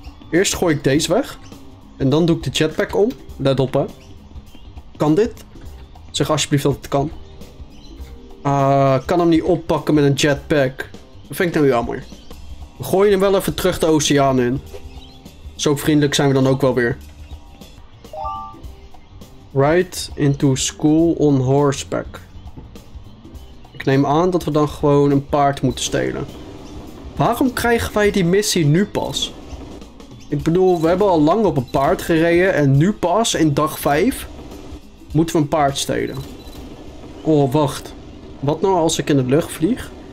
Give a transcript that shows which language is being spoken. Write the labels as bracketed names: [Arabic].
[Dutch] Eerst gooi ik deze weg. En dan doe ik de jetpack om. Let op, hè. Kan dit? Zeg alsjeblieft dat het kan. Kan hem niet oppakken met een jetpack. Dat vind ik nou jammer. We gooien hem wel even terug de oceaan in. Zo vriendelijk zijn we dan ook wel weer. [English] Ride into school on horseback. [Dutch] Ik neem aan dat we dan gewoon een paard moeten stelen. Waarom krijgen wij die missie nu pas? Ik bedoel, we hebben al lang op een paard gereden en nu pas in dag 5... moeten we een paard stelen. Oh, wacht. Wat nou als ik in de lucht vlieg?